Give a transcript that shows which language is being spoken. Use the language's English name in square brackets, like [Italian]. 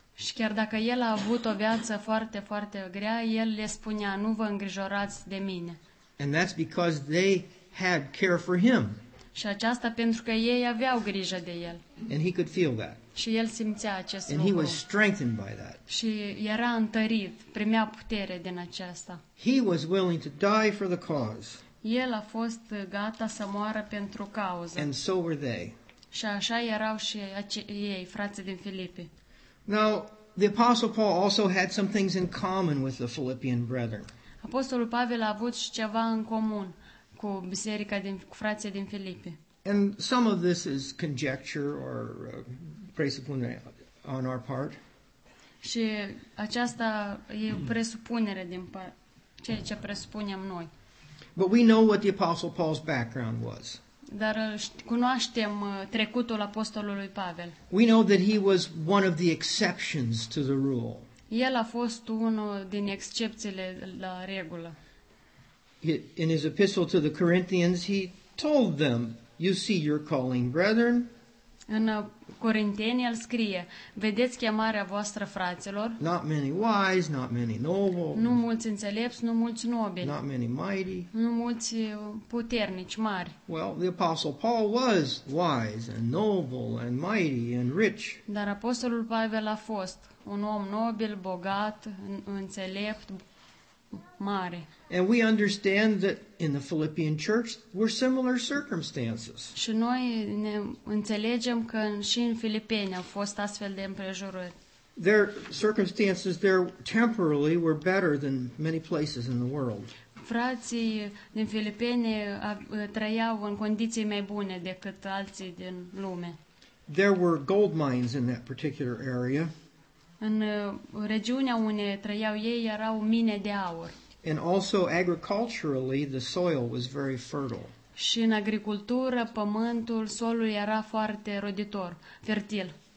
[Romanian] Și chiar dacă el a avut o viață foarte, foarte grea, el le spunea, nu vă îngrijorați de mine. [English] And that's because they had care for him. [Romanian] Și aceasta pentru că ei aveau grijă de el. [English] And he could feel that. [Romanian] Și el simțea acest [English] lucru. And he was strengthened by that. [Romanian] Și era întărit, primea putere din aceasta. [English] He was willing to die for the cause. [Romanian] El a fost gata să moară pentru cauză. [English] And so were they. [Romanian] Și așa erau și ei, frații din Filipi. [English] Now, the Apostle Paul also had some things in common with the Philippian brethren. [Romanian] Apostolul Pavel a avut și ceva în comun cu biserica din, cu frații din Filipi. [English] And some of this is conjecture or presupunere on our part. [Romanian] Și aceasta e o presupunere din ceea ce presupunem noi. [English] But we know what the Apostle Paul's background was. [Romanian] Dar cunoaștem trecutul apostolului Pavel. [English] We know that he was one of the exceptions to the rule. [Romanian] El a fost unul din excepțiile la regulă. [English] In his epistle to the Corinthians, he told them, "You see your calling, brethren." [Romanian] În Corinteni el scrie, vedeți chemarea voastră, fraților. [English] Not many wise, not many noble. [Romanian] Nu mulți înțelepți, nu mulți nobili. [English] Not many mighty. [Romanian] Nu mulți puternici, mari. [English] Well, the Apostle Paul was wise and noble and mighty and rich. [Romanian] Dar Apostolul Pavel a fost un om nobil, bogat, înțelept, mare. [English] And we understand that in the Philippian church were similar circumstances. [Romanian] Și noi ne înțelegem că și în Filipeni au fost astfel de împrejurări. [English] Their circumstances there temporarily were better than many places in the world. [Romanian] Frații din Filipeni trăiau în condiții mai bune decât alții din lume. [English] There were gold mines in that particular area. [Romanian] În regiunea unde trăiau ei erau mine de aur. [English] And also agriculturally the soil was very fertile. [Romanian] Și în agricultură pământul, solul era foarte roditor, fertil.